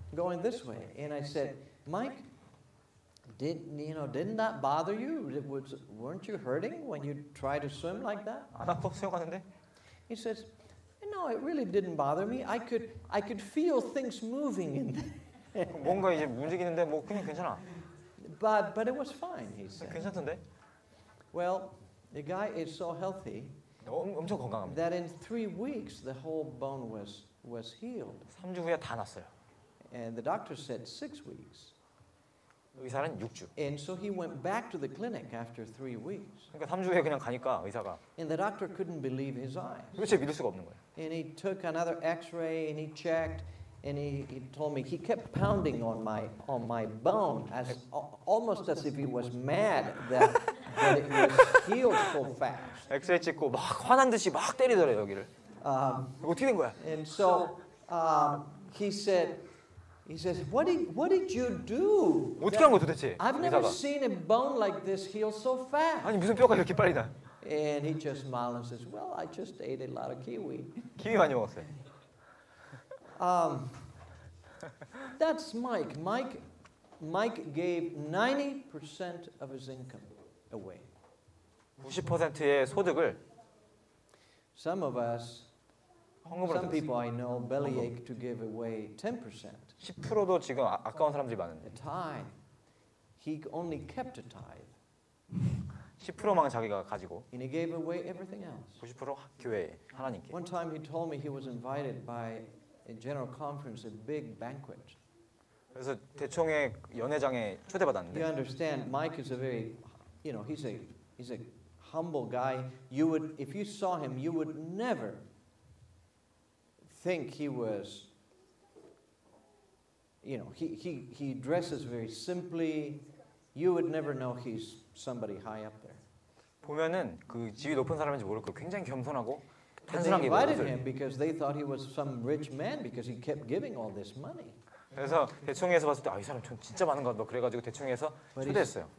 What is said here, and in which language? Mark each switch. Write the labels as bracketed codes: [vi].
[en] Going this way. And I said, Mike, didn't that bother you? Weren't you hurting when you tried to swim like that? [ko] 안 아파, 수영하는데? [en] He says, no, it really didn't bother me. I could feel things moving in there. [ko] 뭔가 이제 움직이는데 뭐 그냥 괜찮아. [en] But it was fine, he said. [ko] 괜찮던데? [en] Well, the guy is so healthy [ko] 엄청 건강합니다. [en] That in 3 weeks the whole bone was healed. [ko] 3주 후에 다 났어요. [en] And the doctor said 6 weeks. [ko] 의사는 6주. [en] And so he went back to the clinic after 3 weeks. [ko] 그러니까 3주 후에 그냥 가니까 의사가. [en] And the doctor couldn't believe his eyes. [ko] 도대체 믿을 수가 없는 거예요. [en] And he took another X-ray and he checked and he told me he kept pounding on my bone as almost as if he was mad that. But it was healed so fast. [ko] 엑스레이 찍고 막 화난 듯이 막 때리더래요 여기를. 어떻게 된 거야? [en] And so he says, what did you do? [ko] 어떻게 한 거 도대체? [en] I've never seen a bone like this heal so fast. [ko] 아니 무슨 뼈가 이렇게 빨리 나? [en] And he just smiled and says, well, I just ate a lot of kiwi. [ko] 키위 많이 먹었어요. [en] That's Mike. Mike gave 90% of his income. Away. [ko] 90%의 소득을 [en] Some of us some people I know bellyache [ko] 헌금. [en] to give away 10%. [ko] 10%도 지금 아까운 사람들이 많은데. [en] Tithe. He only kept a tithe. [ko] 10%만 자기가 가지고. [en] And he gave away everything else. [ko] 90% 교회에 하나님께. [en] One time he told me he was invited by a general conference a big banquet. [ko] 그래서 대총회 연회장에 초대받았는데. [en] You understand Mike is a very You know, he's a humble guy. You would, if you saw him, you would never think he was, you know, he dresses very simply. You would never know he's somebody high up there. [ko] 보면은 그 지위 높은 사람인지 모를 거 굉장히 겸손하고 단순하게 보여. [en] They invited him because they thought he was some rich man because he kept giving all this money. [ko] 그래서 대충해서 봤을 때 아, 이 사람 진짜 많은 것 같아. 그래가지고 대충해서 초대했어요.